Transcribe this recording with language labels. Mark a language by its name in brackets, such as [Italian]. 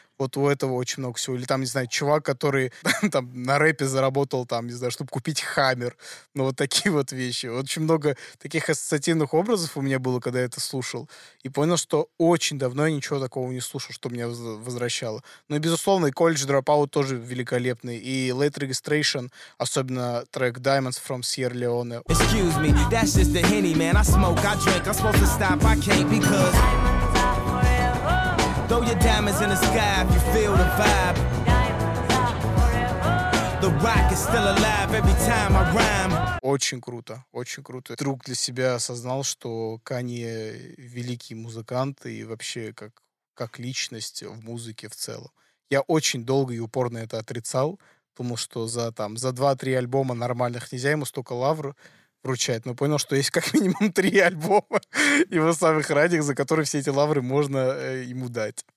[Russian] Вот у этого очень много всего. Или там, не знаю, чувак, который там на рэпе заработал, там, не знаю, чтобы купить хаммер. Ну, вот такие вот вещи. Очень много таких ассоциативных образов у меня было, когда я это слушал. И понял, что очень давно я ничего такого не слушал, что меня возвращало. Ну, и, безусловно, и College Dropout тоже великолепный. И Late Registration, особенно трек Diamonds from Sierra Leone. [English] Excuse me, that's just the Henny, man. I smoke, I drink, I'm supposed to stop, I can't because... Throw your diamonds in the sky if you feel the vibe. The rock is still alive every time I rhyme. [Russian] Очень круто, очень круто. Вдруг для себя осознал, что Канье великий музыкант и вообще как личность в музыке в целом. Я очень долго и упорно это отрицал. Думал, что за 2-3 альбома нормальных нельзя ему столько лавр вручает, но понял, что есть как минимум 3 альбома его самых ранних, за которые все эти лавры можно ему дать.